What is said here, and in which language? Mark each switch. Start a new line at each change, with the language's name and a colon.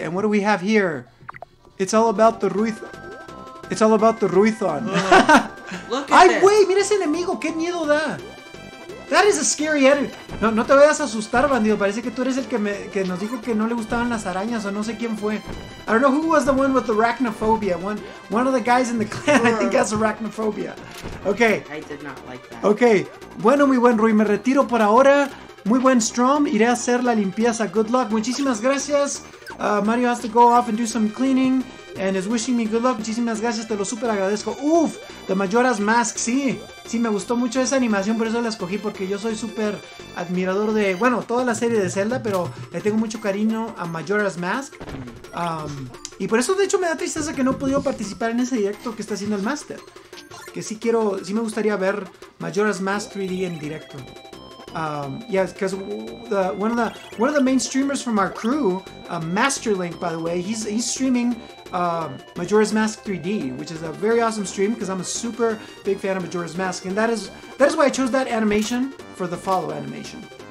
English: And what do we have here? It's all about the Ruithon. Look at
Spanish: that. Ay, wey, mira ese enemigo. Qué miedo da.
English: That is a scary enemy.
Spanish: No, no te vayas a asustar, bandido. Parece que tú eres el que nos dijo que no le gustaban las arañas o no sé quién fue.
English: I don't know who was the one with the arachnophobia. One of the guys in the clan, I think, has arachnophobia. Okay. I did not like that. Okay.
Spanish: Bueno, mi buen Rui, me retiro por ahora. Muy buen Strom, iré a hacer la limpieza.
English: Good luck.
Spanish: Muchísimas gracias.
English: Mario has to go off and do some cleaning. and is wishing me good luck.
Spanish: Muchísimas gracias, te lo super agradezco. Uf, The Majora's Mask, sí. Sí, me gustó mucho esa animación, por eso la escogí, porque yo soy súper admirador de, bueno, toda la serie de Zelda, pero le tengo mucho cariño a Majora's Mask. Y por eso, de hecho, me da tristeza que no he podido participar en ese directo que está haciendo el Master. Que sí quiero, sí me gustaría ver Majora's Mask 3D en directo.
English: Yeah, because one of the main streamers from our crew, Masterlink, by the way, he's streaming Majora's Mask 3D, which is a very awesome stream because I'm a super big fan of Majora's Mask, and that is why I chose that animation for the follow animation.